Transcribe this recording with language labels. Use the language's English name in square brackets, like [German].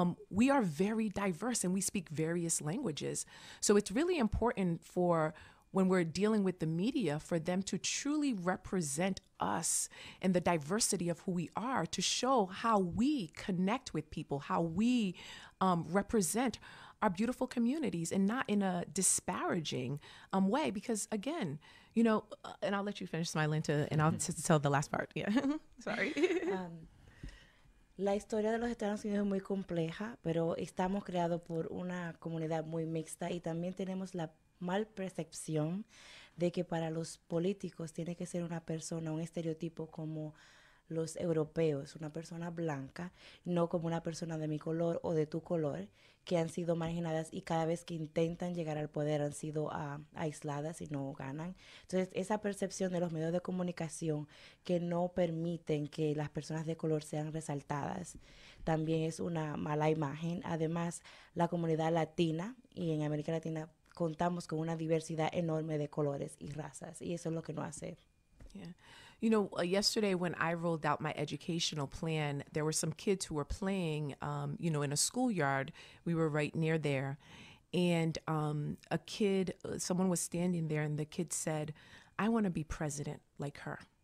[English] We are very diverse and we speak various languages. So it's really important for when we're dealing with the media for them to truly represent us and the diversity of who we are, to show how we connect with people, how we represent our beautiful communities, and not in a disparaging way, because again, You know, and I'll let you finish, Smilinta, and I'll tell the last part. Yeah, sorry. [Spanish] La historia de los Estados Unidos es muy compleja, pero estamos creados por una comunidad muy mixta y también tenemos la mal percepción de que para los políticos tiene que ser una persona, un estereotipo como los europeos, una persona blanca, no como una persona de mi color o de tu color, que han sido marginadas y cada vez que intentan llegar al poder han sido aisladas y no ganan. Entonces, esa percepción de los medios de comunicación que no permiten que las personas de color sean resaltadas también es una mala imagen. Además, la comunidad latina y en América Latina contamos con una diversidad enorme de colores y razas, y eso es lo que no hace. [English] Yeah. You know, yesterday when I rolled out my educational plan, there were some kids who were playing, you know, in a schoolyard. We were right near there. And a kid, someone was standing there, and the kid said, "I want to be president like her."